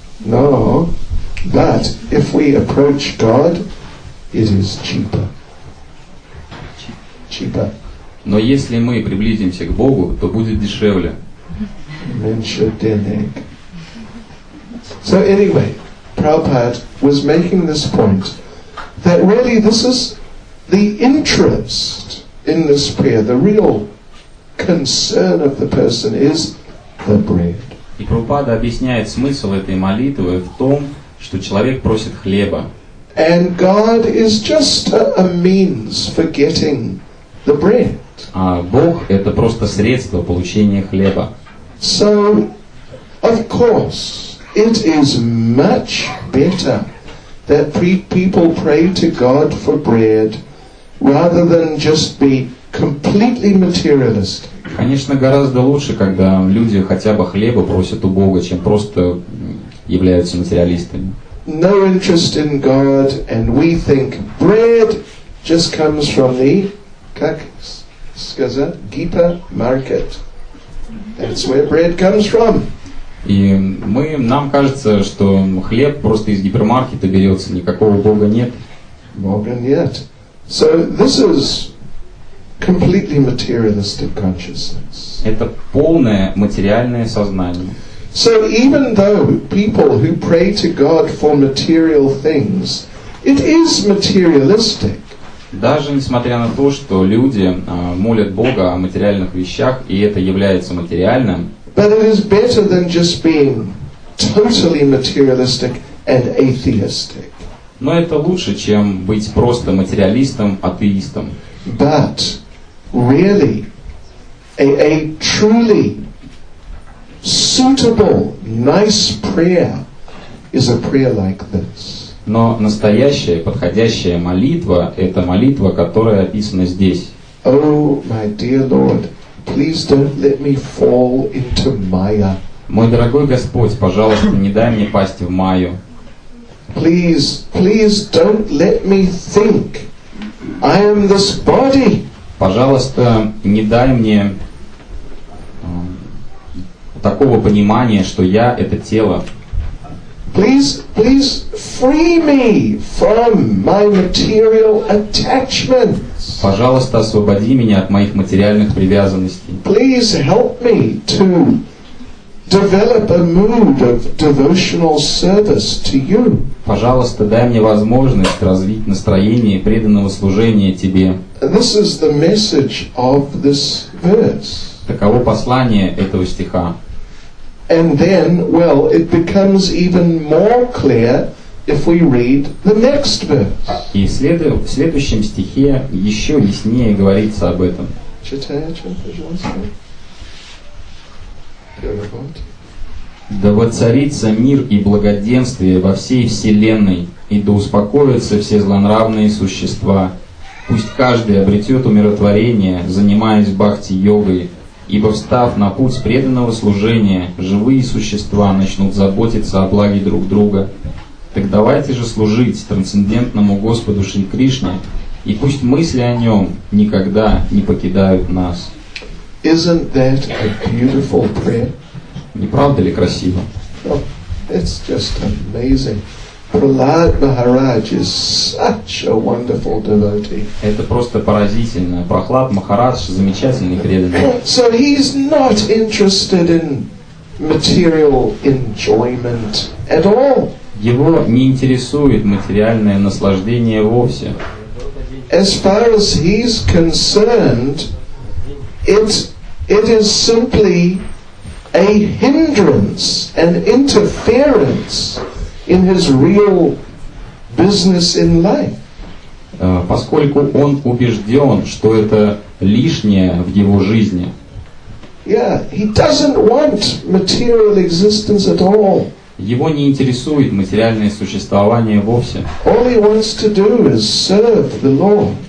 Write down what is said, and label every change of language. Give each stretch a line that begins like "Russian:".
English: No, but if we approach God, it is cheaper. Cheaper.
Russian: Но если мы приблизимся к Богу, то будет дешевле. Меньше денег.
English: So anyway, Prabhupada was making this point that really this is the interest in this prayer, the real concern of the person is the bread.
Russian: И Прабхупада объясняет смысл этой молитвы в том, что человек просит хлеба.
English: And God is just a means for getting the bread.
Russian: А Бог это просто средство получения хлеба.
English: So, of course, it is much better that people pray to God for bread rather than just be completely materialist.
Russian: Конечно, гораздо лучше, когда люди хотя бы хлеба просят у Бога, чем просто являются материалистами.
English: No interest in God, and we think bread just comes from the,
Russian: как сказать, гипермаркет.
English: That's where bread comes from.
Russian: И нам кажется, что хлеб просто из гипермаркета берется, никакого Бога нет. Бога нет.
English: So this is completely materialistic consciousness.
Russian: Это полное материальное сознание.
English: So even though people who pray to God for material things, it is materialistic.
Russian: Даже несмотря на то, что люди молят Бога о материальных вещах, и это является материальным.
English: But it is better than just being totally materialistic and atheistic.
Russian: Но это лучше, чем быть просто материалистом, атеистом.
English: But really, a truly suitable, nice prayer is a prayer like this.
Russian: Но настоящая, подходящая молитва – это молитва, которая описана здесь.
English: Oh, my dear Lord, please don't let me fall into Maya.
Russian: Мой дорогой Господь, пожалуйста, не дай мне пасть в Майю.
English: Please, please don't let me think I am this body.
Russian: Пожалуйста, не дай мне такого понимания, что я — это тело.
English: Please, please free me from my material attachments.
Russian: Пожалуйста, освободи меня от моих материальных привязанностей.
English: Please help me to develop a mood of devotional service to you.
Russian: Пожалуйста, дай мне возможность развить настроение преданного служения тебе.
English: This is the message of this verse.
Russian: Таково послание этого стиха.
English: And then, well, it becomes even more clear if we read the next verse.
Russian: И в следующем стихе еще яснее говорится об этом. Читай, пожалуйста. Да воцарится мир и благоденствие во всей вселенной, и да успокоятся все злонравные существа. Пусть каждый обретет умиротворение, занимаясь бхакти-йогой, ибо, встав на путь преданного служения, живые существа начнут заботиться о благе друг друга. Так давайте же служить трансцендентному Господу Шри Кришне, и пусть мысли о Нем никогда не покидают нас.
English: Isn't that a beautiful prayer?
Russian: Не правда ли красиво?
English: Oh, it's just amazing. Prahlad Maharaj is such a wonderful devotee.
Russian: Это просто поразительно. Прохлад Махарадж замечательный преданный.
English: So he's not interested in material enjoyment at all.
Russian: Его не интересует материальное наслаждение вовсе.
English: As far as he's concerned, it is simply a hindrance, an interference in his real business in life.
Russian: Поскольку он убежден, что это лишнее в его жизни.
English: Yeah, he doesn't want material existence at all.
Russian: Его не интересует материальное существование вовсе.
English: All he wants to do is serve the Lord.